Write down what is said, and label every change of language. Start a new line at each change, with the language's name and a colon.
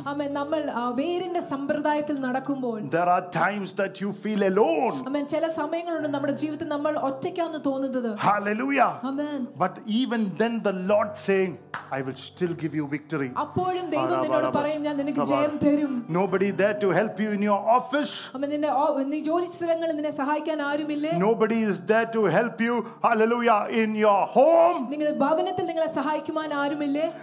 Malayalam: അമേ, നമ്മൾ വേരിന്റെ സമ്പ്രദായത്തിൽ നടക്കുമ്പോൾ,
English: there are times that you feel alone.
Malayalam: അമേ, ചില സമയങ്ങളുണ്ട് നമ്മുടെ ജീവിതത്തിൽ നമ്മൾ ഒറ്റയ്ക്കാണ് തോന്നുന്നത്.
English: Hallelujah. Amen. But even then the Lord saying, I will still give you victory.
Malayalam: അപ്പോഴും ദൈവം നിന്നോട് പറയും, ഞാൻ നിനക്ക് ജയം തരും.
English: Nobody there to help you in your office. Nobody is there to help you, hallelujah, in your home.
Malayalam: നിങ്ങളുടെ ഭവനത്തിൽ നിങ്ങളെ സഹായിക്കാൻ ആരുമില്ലേ?